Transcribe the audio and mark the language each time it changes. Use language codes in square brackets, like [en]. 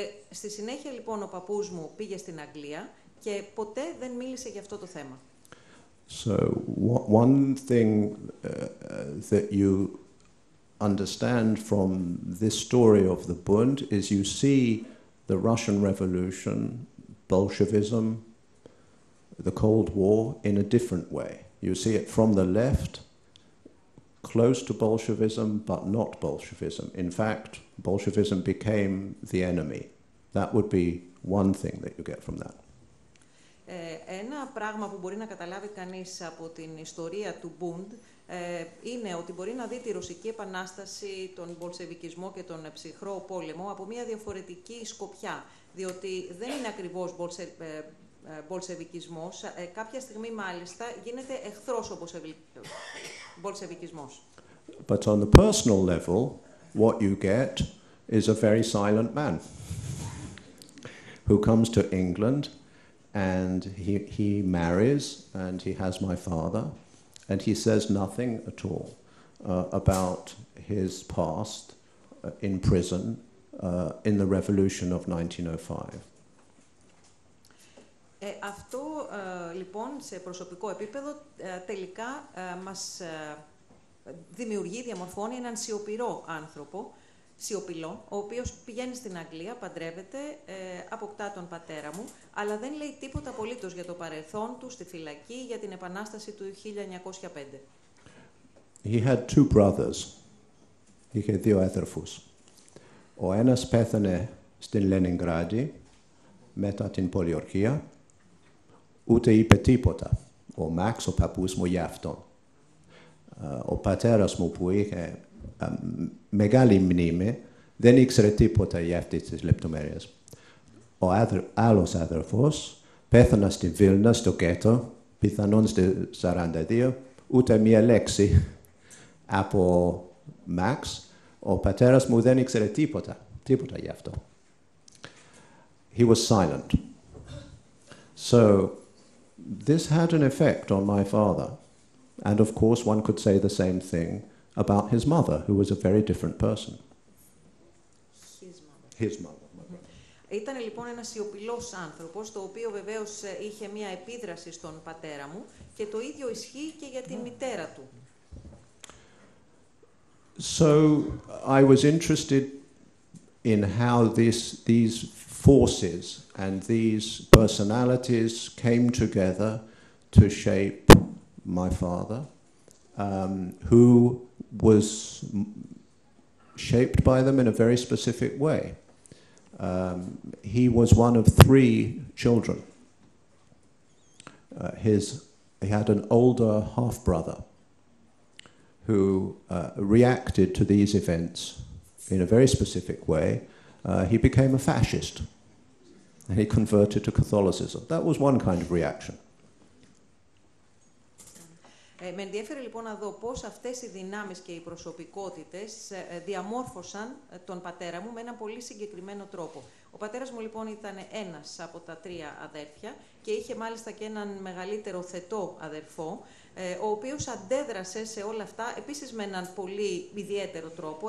[el] Στη συνέχεια λοιπόν ο παππούς μου πήγε στην Αγγλία και ποτέ δεν μίλησε για αυτό το θέμα. [en] So one thing that you understand from this story of the Bund is you see the Russian Revolution, Bolshevism, the Cold War in a different way. You see it from the left, close to Bolshevism, but not Bolshevism. In fact, Bolshevism became the enemy. That would be one thing that you get from that. [el] Ένα πράγμα που μπορεί να καταλάβει κανείς από την ιστορία του Bund είναι ότι μπορεί να δει τη Ρωσική Επανάσταση, τον Μπολσεβικισμό και τον ψυχρό πόλεμο από μια διαφορετική σκοπιά, διότι δεν είναι ακριβώς Μπολσεβικισμός. Κάποια στιγμή, μάλιστα, γίνεται εχθρός ο Μπολσεβικισμός. [en] But on the personal level, what you get is a very silent man who comes to England and he marries and he has my father and he says nothing at all about his past in prison in the revolution of 1905. [el] Αυτό λοιπόν σε προσωπικό επίπεδο τελικά μας δημιουργεί, διαμορφώνει έναν σιωπηρό άνθρωπο, σιωπηλό, ο οποίος πηγαίνει στην Αγγλία, παντρεύεται, αποκτά τον πατέρα μου, αλλά δεν λέει τίποτα απολύτως για το παρελθόν του, στη φυλακή, για την επανάσταση του 1905. [en] He had two brothers. [el] Είχε δύο αδερφούς. Ο ένας πέθανε στην Λενιγκράδη μετά την πολιορκία. Ούτε είπε τίποτα ο Μαξ, ο παππούς μου, για αυτόν. Ο πατέρας μου, που είχε μεγάλη μνήμη, δεν ήξερε τίποτα για αυτές τις λεπτομέρειες. Ο άλλος αδερφός πέθανε στη Βίλνα, στο γκέτο, πιθανόν στη 42, ούτε μία λέξη από Μαξ. Ο πατέρας μου δεν ήξερε τίποτα για αυτό. [en] He was silent. So, this had an effect on my father, and of course one could say the same thing about his mother, who was a very different person. His mother. [el] Ήταν λοιπόν ένας σιωπηλός άνθρωπος, το οποίο βεβαίως είχε μια επίδραση στον πατέρα μου, και το ίδιο ισχύει και για τη μητέρα του. [en] So I was interested in how these forces and these personalities came together to shape my father, who was shaped by them in a very specific way. He was one of three children. He had an older half-brother who reacted to these events in a very specific way, he became a fascist. And he converted to Catholicism. That was one kind of reaction. [el] Με ενδιαφέρει λοιπόν να δω πώς αυτές οι δυνάμεις και οι προσωπικότητες διαμόρφωσαν τον πατέρα μου με έναν πολύ συγκεκριμένο τρόπο. Ο πατέρας μου λοιπόν ήταν ένας από τα τρία αδέρφια και είχε μάλιστα και έναν μεγαλύτερο θετό αδερφό, ο οποίος αντέδρασε σε όλα αυτά επίσης με έναν πολύ ιδιαίτερο τρόπο.